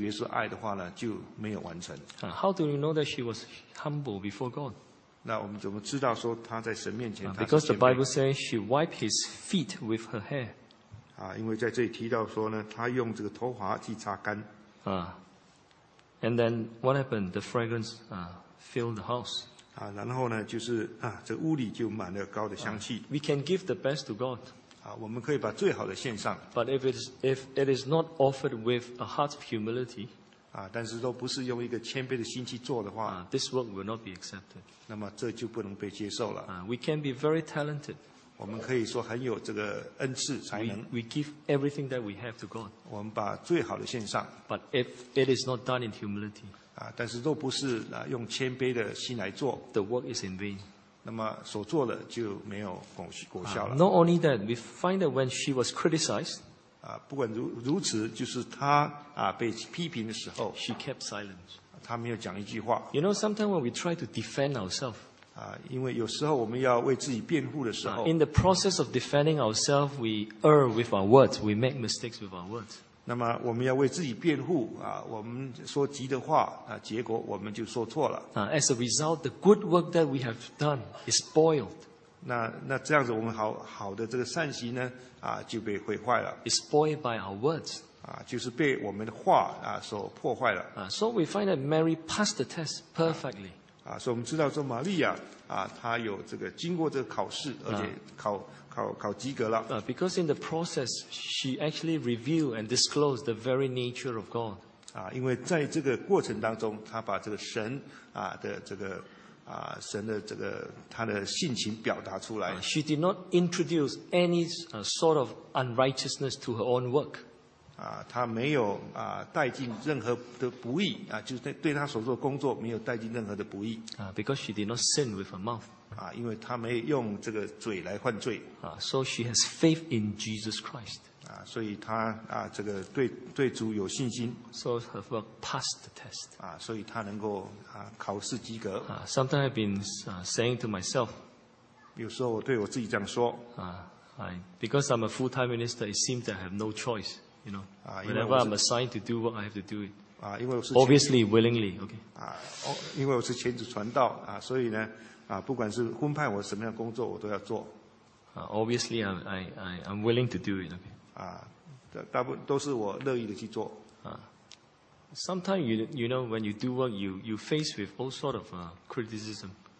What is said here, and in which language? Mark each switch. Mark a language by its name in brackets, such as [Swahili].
[Chinese] 但是他的工作若是没有经过他的就是谦卑，跟他对主耶稣爱的话呢，就没有完成。 [English] How do you know that she was humble before God? [Chinese] 那我们怎么知道说他在神面前他是谦卑的？ [English] Because the Bible says she wiped his feet with her hair. [Chinese] 因为在这里提到说呢，他用这个头发去擦干。 [English] And then what happened? The fragrance filled the house. [Chinese] 然后呢，就是这屋里就满了膏的香气。 [English] We can give the best to God. [Chinese] 我们可以把最好的献上。 [English] But if it is not offered with a heart of humility. [Chinese] 但是都不是用一个谦卑的心去做的话， [English] This work will not be accepted. [Chinese] 那么这就不能被接受了。 [English] We can be very talented. [Chinese] 我们可以说很有这个恩赐才能。 [English] We give everything that we have to God. [Chinese] 我们把最好的献上。 [English] But if it is not done in humility. [Chinese] 但是都不是用谦卑的心来做。 [English] The work is in vain. [Chinese] 那么所做的就没有果效了。 [English] Not only that, we find that when she was criticized, [Chinese] 不管如此，就是他被批评的时候， [English] she kept silence. [Chinese] 他没有讲一句话。 [English] You know, sometimes when we try to defend ourselves, [Chinese] 因为有时候我们要为自己辩护的时候， [English] in the process of defending ourselves, we err with our words, we make mistakes with our words. [Chinese] 那么我们要为自己辩护， 我们说急的话， 结果我们就说错了。 [English] As a result, the good work that we have done is spoiled. [Chinese] 那这样子我们好的这个善行呢， 就被毁坏了。 [English] It's spoiled by our words. [Chinese] 就是被我们的话所破坏了。 [English] So we find that Mary passed the test perfectly. [Chinese] 所以我们知道说玛利亚， 她有这个经过这个考试， 而且考及格了。 [English] Because in the process, she actually revealed and disclosed the very nature of God. [Chinese] 因为在这个过程当中， 她把这个神的这个， 神的这个他的性情表达出来。 [English] She did not introduce any sort of unrighteousness to her own work. [Chinese] 她没有带进任何的不义， 就是对她所做的工作没有带进任何的不义。 [English] Because she did not sin with her mouth. [Chinese] 因为她没有用这个嘴来换罪。 [English] So she has faith in Jesus Christ. [Chinese] 所以他对主有信心。 [English] So her work passed the test. [Chinese] 所以他能够考试及格。 [English] Sometimes I've been saying to myself, [Chinese] 有时候我对我自己这样说， [English] because I'm a full-time minister, it seems that I have no choice. You know, whenever I'm assigned to do work, I have to do it. Obviously, willingly. Okay. [Chinese] 因为我是前主传道， 所以呢， 不管是分派我什么样的工作， 我都要做。 [English] Obviously, I'm willing to do it. Okay. [Chinese] 大部分都是我乐意的去做。 [English] Sometimes you know when you do work, you face with all sort of criticism.